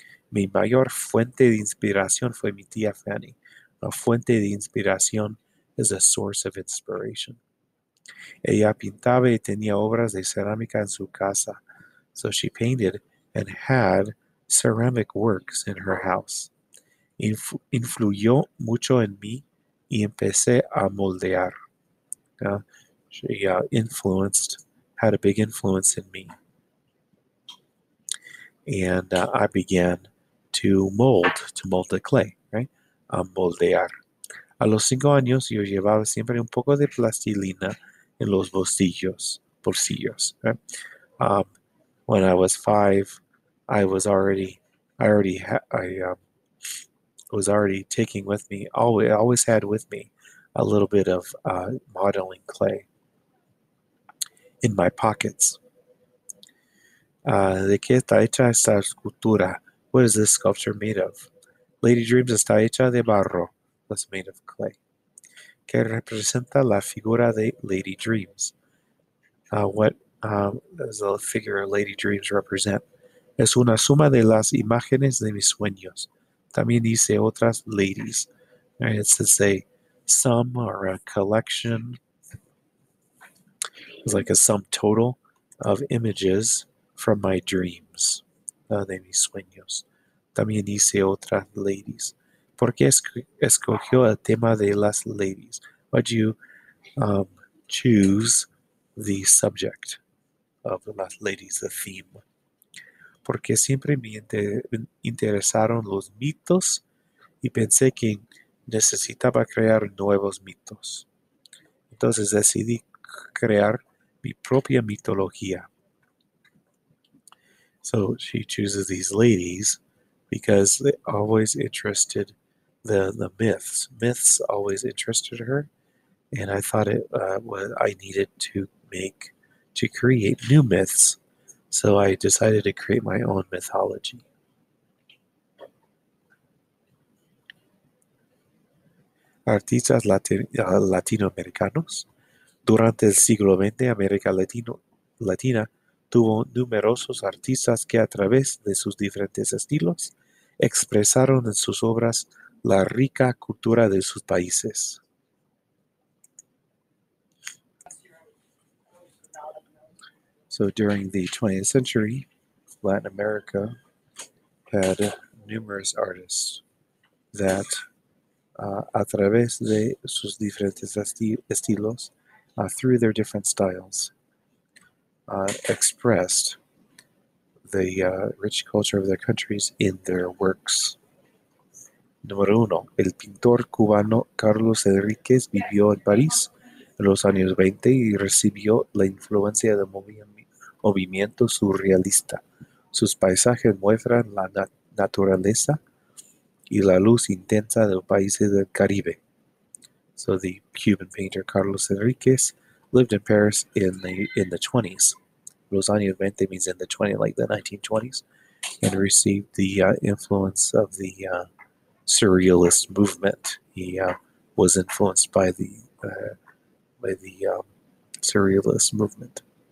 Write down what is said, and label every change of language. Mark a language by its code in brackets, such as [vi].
[es] Mi mayor fuente de inspiración fue mi tía Fanny. La fuente de inspiración [en] is a source of inspiration. [es] Ella pintaba y tenía obras de cerámica en su casa. [en] So she painted and had ceramic works in her house. [es] Influyó mucho en mí y empecé a moldear. [en] She had a big influence in me. And I began to mold the clay, right? [es] A moldear. A los 5 años yo llevaba siempre un poco de plastilina en los bolsillos, right? [en] When I was 5, was already taking with me, always had with me a little bit of modeling clay in my pockets. [es] ¿De qué está hecha esta escultura? [en] What is this sculpture made of? [es] Lady Dreams está hecha de barro. [en] It's made of clay. [es] ¿Qué representa la figura de Lady Dreams? [en] What does the figure of Lady Dreams represent? [es] Es una suma de las imágenes de mis sueños. También dice otras ladies. [en] It's to say sum or a collection. It's like a sum total of images from my dreams, [es] de mis sueños. También dice otras ladies. ¿Por qué escogió el tema de las ladies? [en] Why'd you choose the subject of las ladies, the theme? [es] Porque siempre me interesaron los mitos y pensé que necesitaba crear nuevos mitos. Entonces decidí crear mi propia mitología. [en] So she chooses these ladies because they always interested the myths. Myths always interested her, and I thought it was I needed to make to create new myths. So I decided to create my own mythology. [es] Artistas latinoamericanos. Durante el siglo XX, América Latina tuvo numerosos artistas que a través de sus diferentes estilos expresaron en sus obras la rica cultura de sus países. [en] So during the 20th century, Latin America had numerous artists that, [es] a través de sus diferentes estilos, [en] through their different styles, expressed the rich culture of their countries in their works. [es] Número uno, el pintor cubano Carlos Enríquez vivió en París en los años 20 y recibió la influencia del movimiento surrealista. Sus paisajes muestran la naturaleza y la luz intensa de los países del Caribe. [en] So the Cuban painter Carlos Enríquez lived in Paris in the 20s. Los años 20 means in the 20s, like the 1920s, and received the influence of the surrealist movement. He was influenced by the surrealist movement.